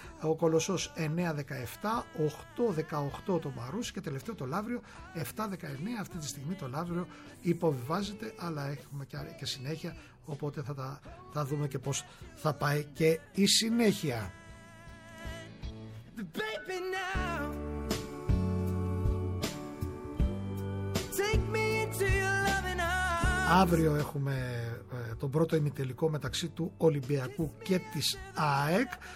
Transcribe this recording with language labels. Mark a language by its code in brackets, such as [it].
[el] Ο Κολοσσός 9-17, 8-18 το Μαρούσι και τελευταίο το Λαύριο 7-19. Αυτή τη στιγμή το Λαύριο υποβιβάζεται, αλλά έχουμε και συνέχεια, οπότε θα δούμε και πώς θα πάει και η συνέχεια. [en] Baby now, take me into your loving arms. [el] Αύριο έχουμε τον πρώτο ημιτελικό μεταξύ του Ολυμπιακού και της ΑΕΚ.